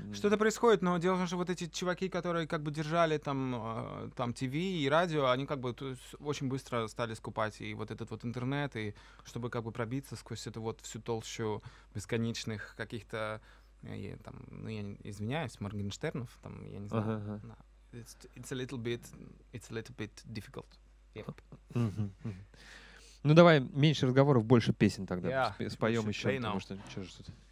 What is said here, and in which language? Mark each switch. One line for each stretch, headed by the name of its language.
Russian: Что-то происходит, но дело в том, что вот эти чуваки, которые как бы держали там ТВ и радио, они как бы очень быстро стали скупать и вот этот вот интернет, и чтобы как бы пробиться сквозь эту вот всю толщу бесконечных каких-то, Моргенштернов, там, я не знаю.
English: It's a little bit difficult. Yep.
Russian: Ну давай меньше разговоров, больше песен тогда. Споем еще, потому что что же тут.